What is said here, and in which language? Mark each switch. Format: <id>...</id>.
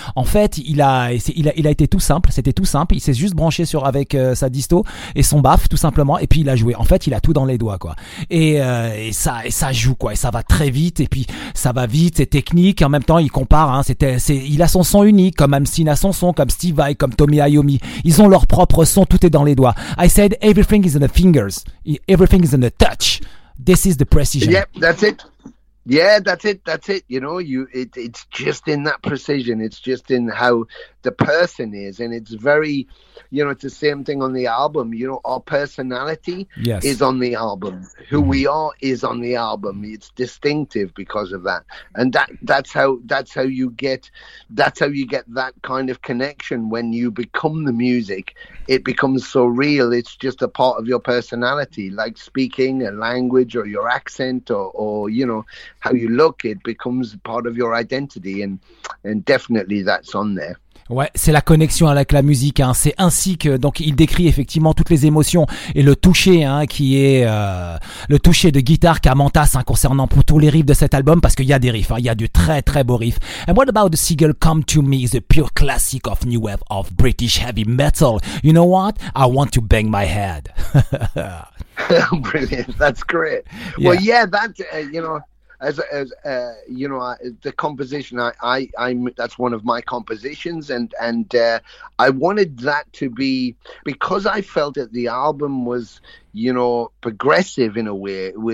<fr>En fait, il a été tout simple. C'était tout simple. Il s'est juste branché sur avec sa disto et son baff, tout simplement. Et puis il a joué. En fait, il a tout dans les doigts, quoi. Et ça joue, quoi. Et ça va très vite. Et puis ça va vite. C'est technique. Et en même temps, il compare. Hein. Il a son son unique, comme Amstein a son son, comme Steve Vai, comme Tommy Iommi. Ils ont leur propre son, tout est dans les doigts.</fr> <en>I said everything is in the fingers. Everything is in the touch. This is the precision. Yep, that's it. Yeah, that's it. That's it. You know, it's just in that precision. It's just in how the person is. And it's very, you know, it's the same thing on the album. You know, our personality is on the album. Who we are is on the album. It's distinctive because of that. And that's how you get that kind of connection. When you become the music, it becomes so real. It's just a part of your personality, like speaking a language or your accent or you know, how you look, it becomes part of your identity, and definitely that's on there.</en> <fr>Ouais, c'est la connexion avec la musique, hein. C'est ainsi que, donc, il décrit effectivement toutes les émotions et le toucher, hein, qui est le toucher de guitare qu'a Mantas, hein, concernant pour tous les riffs de cet album, parce qu'il y a des riffs, hein, il y a du très très beau riff.</fr> <en>And what about the single Come To Me is a pure classic of new wave of British heavy metal. You know what? I want to bang my head. Brilliant, that's great. Yeah. Well, yeah, that, you know... As you know, the composition, I'm that's one of my compositions, and I wanted that to be, because I felt that the album was, you know, progressive in a way.</en>